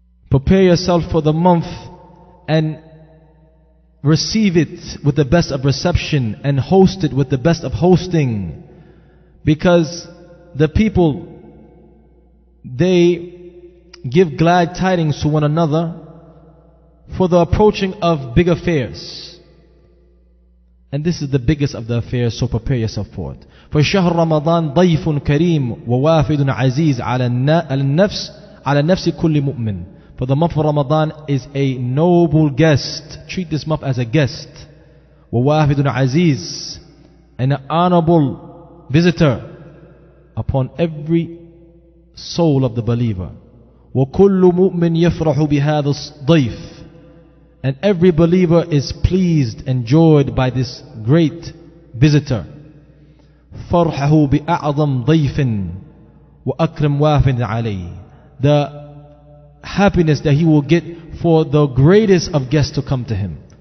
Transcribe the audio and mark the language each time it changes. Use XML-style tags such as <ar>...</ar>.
<en>Prepare yourself for the month and receive it with the best of reception and host it with the best of hosting. Because the people, they give glad tidings to one another for the approaching of big affairs. And this is the biggest of the affairs, so prepare yourself for it.</en> <ar>For شهر رمضان ضيف كريم ووافد عزيز على النفس على نفس كل مؤمن.</ar> <en>For the month of Ramadan is a noble guest. Treat this month as a guest.</en> <ar>ووافد عزيز,</ar> <en>an honorable visitor upon every soul of the believer.</en> <ar>وكل مؤمن يفرح بهذا الضيف.</ar> <en>And every believer is pleased, enjoyed by this great visitor.</en> <ar>فَرْحَهُ بِأَعْظَمْ ضَيْفٍ وَأَكْرِمْ وَافٍ عَلَيْهِ.</ar> <en>The happiness that he will get for the greatest of guests to come to him.</en>